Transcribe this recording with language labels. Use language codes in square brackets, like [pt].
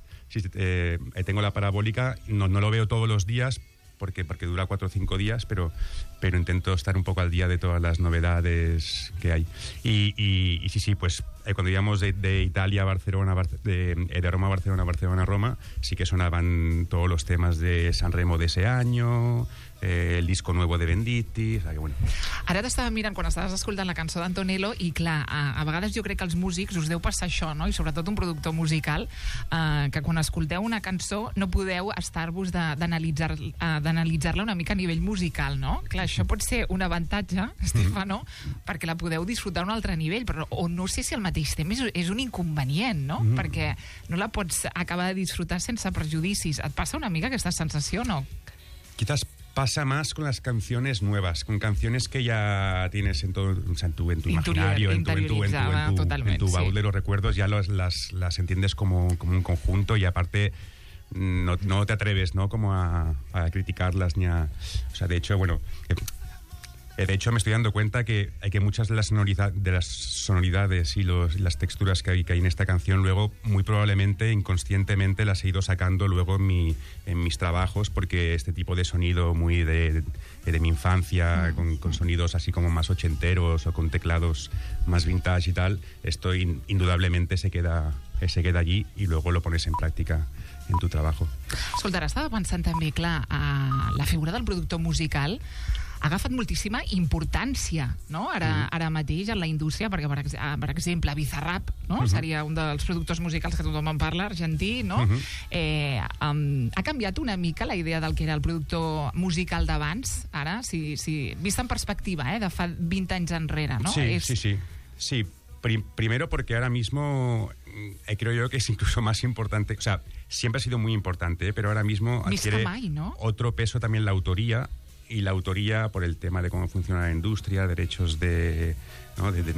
[es] Sí, tengo la parabólica, no lo veo todos los días porque dura 4 o 5 días, pero intento estar un poco al día de todas las novedades que hay. Y sí, pues cuando íbamos de Italia a Barcelona, de Roma a Barcelona, Barcelona a Roma, sí que sonaban todos los temas de San Remo de ese año, el disco nuevo de Venditti, o sea que bueno. [ca] Ara t'estava mirant quan estaves escoltant la cançó d'Antonello i, clar, a vegades jo crec que els músics us deu passar això, no?, i sobretot un productor musical, que quan escolteu una cançó no podeu estar-vos d'analitzar-la una mica a nivell musical, no? Clar, això pot ser un avantatge, Stefano, perquè la podeu disfrutar a un altre nivell, però o no sé si al mateix temps és un inconvenient, no? Perquè no la pots acabar de disfrutar sense perjudicis. Et passa una mica aquesta sensació, no? [es] Quizás pasa más con las canciones nuevas, con canciones que ya tienes en todo, o sea, en tu imaginario, en tu baúl, sí, de los recuerdos, ya las entiendes como un conjunto, y aparte no te atreves, ¿no?, como a criticarlas ni a... O sea, de hecho, bueno... De hecho, me estoy dando cuenta que hay que muchas de las sonoridades y las texturas que hay en esta canción, luego, muy probablemente, inconscientemente, las he ido sacando luego en mis trabajos, porque este tipo de sonido muy de mi infancia, con sonidos así como más ochenteros o con teclados más vintage y tal, esto indudablemente se queda allí y luego lo pones en práctica en tu trabajo. [ca] Escoltar, estava pensant també, clar, a la figura del productor musical... ha agafat moltíssima importància, no? Ara mateix en la indústria, perquè per exemple, Bizarrap, no? Uh-huh. Seria un dels productors musicals que tothom en parla, argentí, no? Uh-huh. Ha canviat una mica la idea del que era el productor musical d'abans, ara, si vist en perspectiva, de fa 20 anys enrere, no? [es] Sí, sí. Primero porque ahora mismo creo yo que es incluso más importante, o sea, siempre ha sido muy importante, pero ahora mismo adquiere [ca] mai, ¿no?, [es] otro peso también la autoría. Y la autoría, por el tema de cómo funciona la industria, derechos de... ¿no?